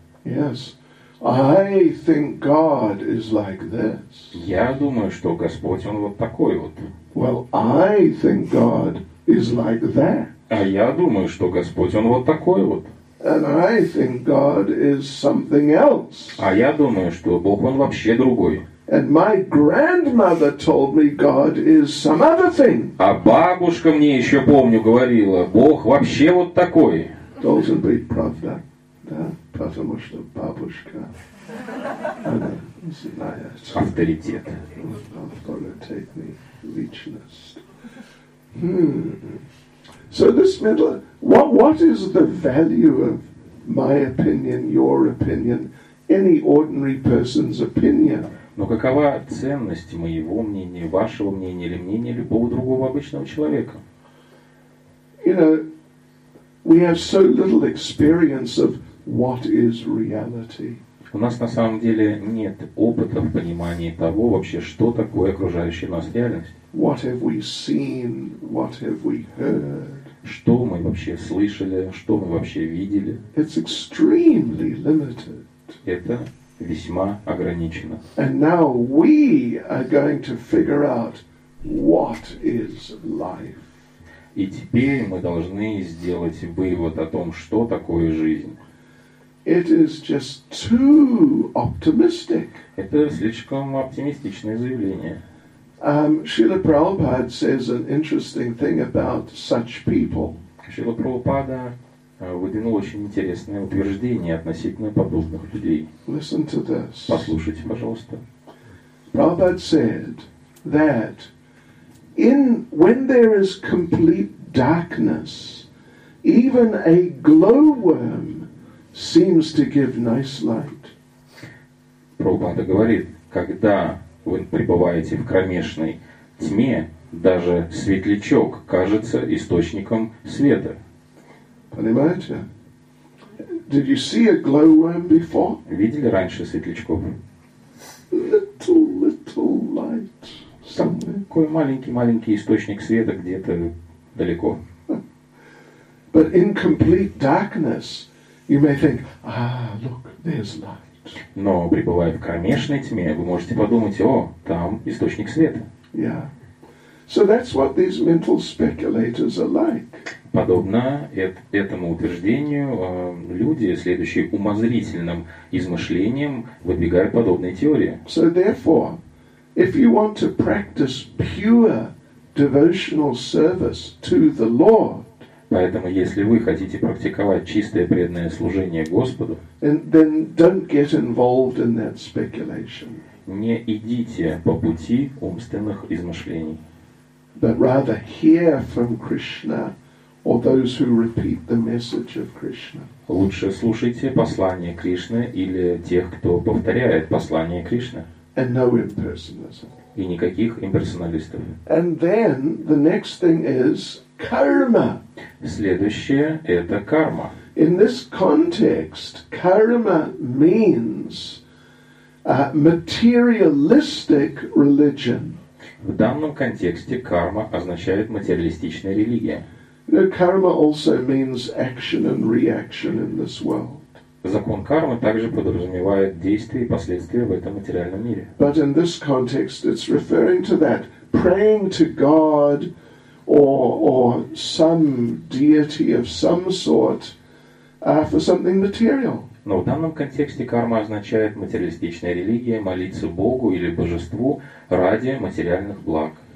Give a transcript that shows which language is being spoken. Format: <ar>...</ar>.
<en>Yes. I think God is like this.</en> <ru>Я думаю, что Господь он вот такой вот.</ru> <en>Well, I think God is like that.</en> <ru>А я думаю, что Господь он вот такой вот.</ru> <en>And I think God is something else.</en> <ru>А я думаю, что Бог он вообще другой.</ru> <en>And my grandmother told me God is some other thing.</en> <ru>А бабушка мне еще помню говорила, Бог вообще вот такой. Должен быть правда, да, потому что бабушка, она знает. Авторитет. Авторитетный личность.</ru> <en>So this middle, what is the value of my opinion, your opinion, any ordinary person's opinion?</en> <ru>Но какова ценность моего мнения, вашего мнения или мнения любого другого обычного человека?</ru> <en>You know, we have so little experience of what is reality.</en> <ru>У нас на самом деле нет опыта в понимании того вообще, что такое окружающая нас реальность.</ru> <en>What have we seen? What have we heard?</en> <ru>Что мы вообще слышали, что мы вообще видели?</ru> <en>It's extremely limited.</en> <ru>Это весьма ограничено.</ru> <en>And now we are going to figure out what is life.</en> <ru>И теперь мы должны сделать вывод о том, что такое жизнь.</ru> <en>It is just too optimistic.</en> <ru>Это слишком оптимистичное заявление.</ru> <en>Шрила Прабхупада says an interesting thing about such people.</en> <ru>Шрила Прабхупада выдвинул очень интересное утверждение относительно подобных людей.</ru> <en>Listen to this.</en> <ru>Послушайте, пожалуйста.</ru> <en>Prabhupada said that when there is complete darkness, even a glowworm seems to give nice light.</en> <ru>Прабхупада говорит, когда вы пребываете в кромешной тьме, даже светлячок кажется источником света. Понимаете?</ru> <en>Did you see a glowworm before?</en> <ru>Видели раньше светлячков?</ru> <en>Little light.</en> <ru>Какой маленький-маленький источник света где-то далеко.</ru> <en>But in complete darkness, you may think, look, there's light.</en> <ru>Но, пребывая в кромешной тьме, вы можете подумать, о, там источник света.</ru> <en>Yeah. So that's what these mental speculators are like.</en> <ru>Подобно этому утверждению, люди, следующие умозрительным измышлением, выдвигают подобные теории.</ru> <en>So therefore, if you want to practice pure devotional service to the Lord,</en> <ru>поэтому, если вы хотите практиковать чистое преданное служение Господу,</ru> <en>then don't get involved in that speculation.</en> <ru>Не идите по пути умственных измышлений.</ru> <en>But rather hear from Krishna or those who repeat the message of Krishna.</en> <ru>Лучше слушайте послание Кришны или тех, кто повторяет послание Кришны.</ru> <en>And no impersonalism.</en> <ru>И никаких имперсоналистов.</ru> <en>And then the next thing is karma.</en> <ru>Следующее – это карма.</ru> <en>In this context, karma means materialistic religion.</en> <ru>В данном контексте карма означает материалистичная религия.</ru> <en>Karma also means action and reaction in this world.</en> <ru>Закон кармы также подразумевает действия и последствия в этом материальном мире.</ru> <en>But in this context, it's referring to that praying to God or some deity of some sort for something material.</en> <ru>Но в данном контексте карма означает материалистичная религия, молиться Богу или Божеству ради материальных благ.</ru>